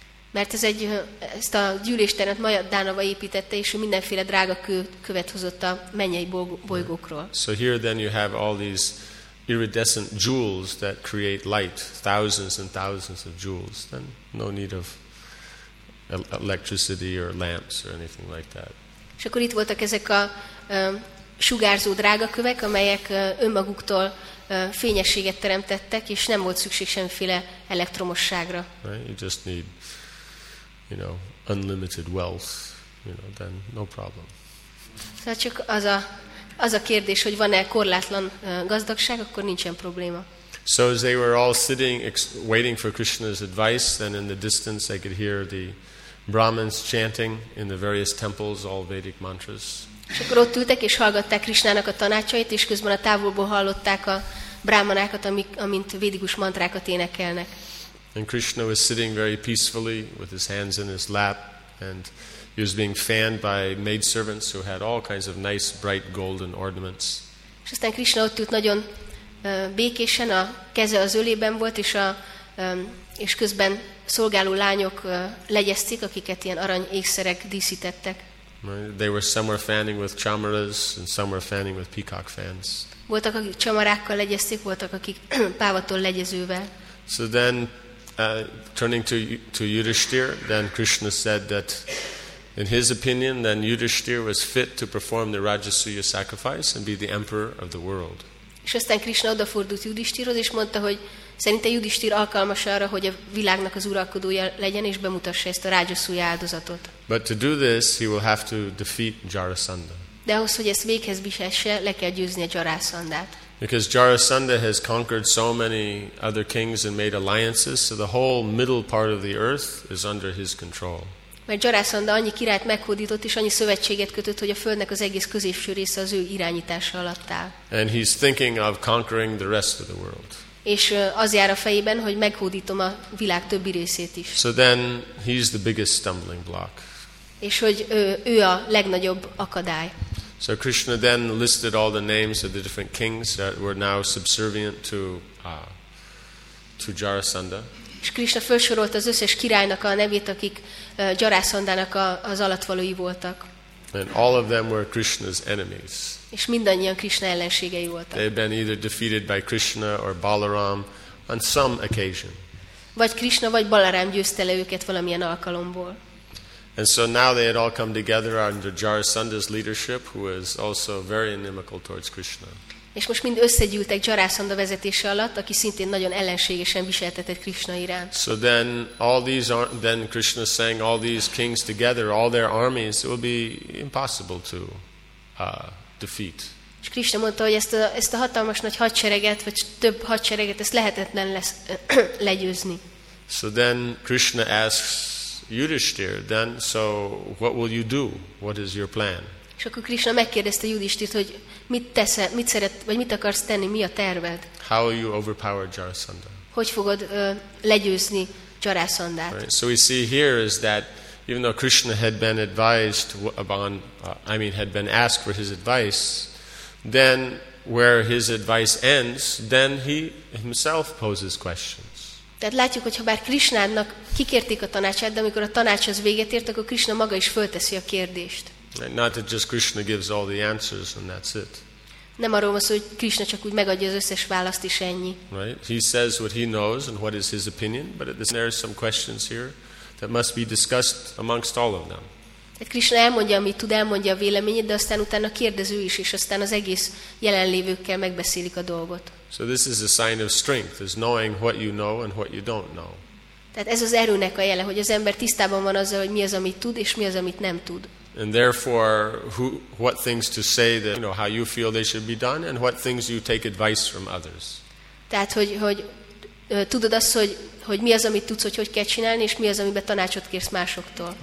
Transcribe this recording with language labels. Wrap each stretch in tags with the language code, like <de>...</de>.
<hu>Mert ez egy, ezt a gyűlésteremet Maya Danava építette, és mindenféle drága követ hozott a mennyei bolygókról.</hu> <en>So here then you have all these iridescent jewels that create light, thousands and thousands of jewels. Then no need of electricity or lamps or anything like that.</en> <hu>És akkor itt voltak ezek a sugárzó drága kövek, amelyek önmaguktól fényességet teremtettek, és nem volt szükség semmiféle elektromosságra.</hu> <en>Right? You just need, you know, unlimited wealth, you know, then no problem.</en> <hu>Szóval csak az a kérdés, hogy van-e korlátlan gazdagság, akkor nincsen probléma.</hu> <en>So as they were all sitting, waiting for Krishna's advice, then in the distance they could hear the Brahmins chanting in the various temples all Vedic mantras.</en> <hu>És akkor ott ültek és hallgatták Krishnának a tanácsait, és közben a távolból hallották a brahmanákat, amint védikus mantrákat énekelnek.</hu> <en>And Krishna was sitting very peacefully with his hands in his lap, and he was being fanned by maidservants who had all kinds of nice bright golden ornaments.</en> <hu>És aztán Krishna ott ült nagyon békésen, a keze az ölében volt, és és közben szolgáló lányok legyeztik, akiket ilyen arany ékszerek díszítettek.</hu> <en>They were some were fanning with chamaras and some were fanning with peacock fans.</en> <hu>Voltak, akik csamarákkal legyeztik, voltak, akik pávatól legyezővel.</hu> <en>So then turning to Yudhishthir, then Krishna said that in his opinion then Yudhishthir was fit to perform the Rajasuya sacrifice and be the emperor of the world.</en> <hu>És aztán Krishna odafordult Yudhishthirhoz és mondta, hogy szerinte Yudhishthir alkalmas arra, hogy a világnak az uralkodója legyen és bemutassa ezt a Rajasuya áldozatot.</hu> <en>But to do this he will have to defeat Jarasandha.</en> <hu>De ahhoz, hogy ezt véghez vihesse, le kell győzni a Jarasandhát.</hu> <en>Because Jarasandha has conquered so many other kings and made alliances, so the whole middle part of the earth is under his control.</en> <hu>Mert Jarasandha annyi királyt meghódított és annyi szövetséget kötött, hogy a földnek az egész középső része az ő irányítása alatt áll.</hu> <en>And he's thinking of conquering the rest of the world.</en> <hu>És az jár a fejében, hogy meghódítom a világ többi részét is.</hu> <en>So then he's the biggest stumbling block.</en> <hu>És hogy ő a legnagyobb akadály.</hu> <en>So Krishna then listed all the names of the different kings that were now subservient to Jarasandha.</en> <hu>És Krishna felsorolt az összes királynak a nevét, akik Jarasandhának az alattvalói voltak.</hu> <en>And all of them were Krishna's enemies.</en> <hu>És mindannyian Krishna ellenségei voltak.</hu> <en>They had been either defeated by Krishna or Balaram on some occasion.</en> <hu>Vagy Krishna vagy Balaram győzte le őket valamilyen alkalomból.</hu> <en>And so now they had all come together under Jarasandha's leadership, who was also very inimical towards Krishna.</en> <hu>És most mind összegyűltek Jarasandha vezetése alatt, aki szintén nagyon ellenségesen viseltetett Krishna iránt.</hu> <en>So then then Krishna sang all these kings together, all their armies, it will be impossible to defeat.</en> <hu>És Krishna mondta, hogy ezt a hatalmas nagy hadsereget, vagy több hadsereget, ezt lehetetlen lesz legyőzni.</hu> <en>So then Krishna asks Yudhishthir, then so what will you do? What is your plan?</en> <hu>És akkor Krishna megkérdezte Yudhishthirt, hogy mit teszel, mit szeret, vagy mit akarsz tenni, mi a terved?</hu> <en>How will you overpower Jarasandha?</en> <hu>Hogy fogod legyőzni Jarasandhát?</hu> <en>Right. So we see here is that even though Krishna had been advised had been asked for his advice, then where his advice ends, then he himself poses questions.</en> <hu>Tehát látjuk, hogy ha bár Krisnának kikérték a tanácsát, de amikor a tanács az véget ért, akkor Krisna maga is fölteszi a kérdést.</hu> <en>Not that just Krishna gives all the answers and that's it.</en> <hu>Nem arról van szó, hogy Krishna csak úgy megadja az összes választ is ennyi.</hu> <en>Right? He says what he knows and what is his opinion, but at the same time there are some questions here that must be discussed amongst all of them.</en> <hu>Tehát Krishna elmondja, amit tud, elmondja a véleményét, de aztán utána kérdező is, és aztán az egész jelenlévőkkel megbeszélik a dolgot.</hu> <en>So this is a sign of strength, is knowing what you know and what you don't know.</en> <hu>Tehát ez az erőnek a jele, hogy az ember tisztában van azzal, hogy mi az, amit tud, és mi az, amit nem tud.</hu> <en>And therefore, what things to say that, you know, how you feel they should be done, and what things you take advice from others.</en> <hu>Tehát, hogy tudod azt, hogy mi az, amit tudsz, hogy kell csinálni, és mi az, amiben tanácsot kérsz másoktól.</hu>